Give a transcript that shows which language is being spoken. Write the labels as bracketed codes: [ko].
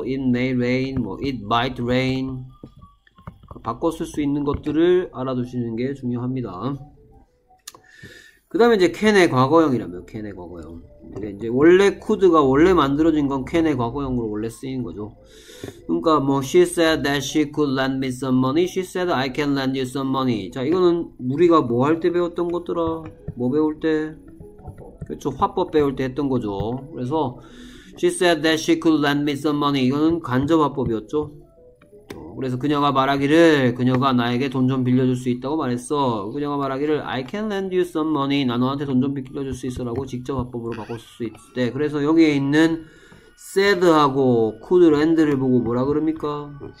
[en] It may rain. 뭐, it might rain. [ko] 바꿔 쓸수 있는 것들을 알아두시는 게 중요합니다. 그 다음에 이제 캔의 과거형이라며, 캔의 과거형. 이제 원래 could가 원래 만들어진 건 캔의 과거형으로 원래 쓰인 거죠. 그러니까 뭐 [en] she said that she could lend me some money. she said I can lend you some money. [ko] 자, 이거는 우리가 뭐할때 배웠던 것더라? 뭐 배울 때? 그렇죠, 화법 배울 때 했던 거죠. 그래서 [en] she said that she could lend me some money. [ko] 이거는 간접 화법이었죠. 그래서 그녀가 말하기를, 그녀가 나에게 돈좀 빌려줄 수 있다고 말했어. 그녀가 말하기를, [en] I can lend you some money. [ko] 나 너한테 돈좀 빌려줄 수 있어라고 직접 화법으로 바꿀 수 있대. 그래서 여기에 있는 said하고 could, and를 보고 뭐라 그럽니까?